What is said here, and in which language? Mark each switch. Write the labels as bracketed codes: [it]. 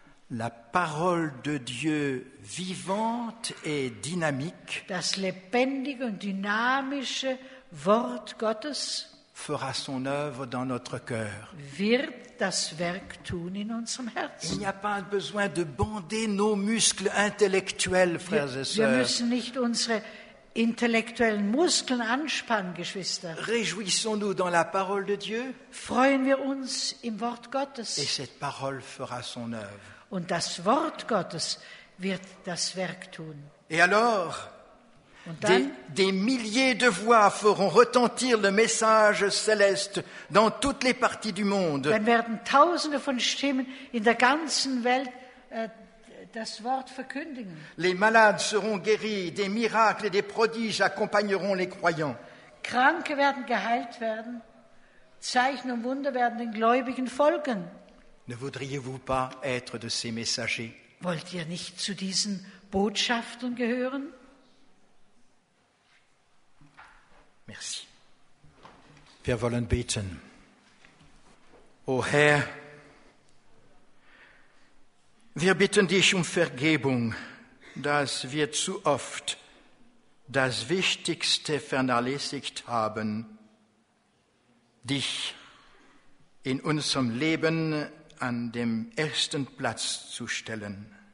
[fr] La parole de Dieu vivante et dynamique. [de] Das lebendige und dynamische Wort Gottes. [fr] Fera son œuvre dans notre cœur. [de] Wird das Werk tun in unserem Herzen. [fr] Il n'y a pas besoin de bander nos muscles intellectuels, frères et sœurs. [de] Wir müssen nicht unsere intellektuellen Muskeln anspannen, Geschwister. [fr] Réjouissons-nous dans la parole de Dieu. [de] Freuen wir uns im Wort Gottes. [fr] Et cette parole fera son œuvre. [de] Und das Wort Gottes wird das Werk tun. [fr] Et alors, [de] Und dann, [fr] des milliers de voix feront retentir le message céleste dans toutes les parties du monde. [de] Dann werden tausende von Stimmen in der ganzen Welt das Wort verkündigen. [fr] Les malades seront guéris, des miracles et des prodiges accompagneront les croyants. [de] Kranke werden geheilt werden, Zeichen und Wunder werden den Gläubigen folgen. [fr] Ne voudriez-vous pas être de ces messagers? [de] Wollt ihr nicht zu diesen Botschaftern gehören? [fr] Merci. [de] Wir wollen beten. O Herr, wir bitten dich Vergebung, dass wir zu oft das Wichtigste vernachlässigt haben, dich in unserem Leben an dem ersten Platz zu stellen.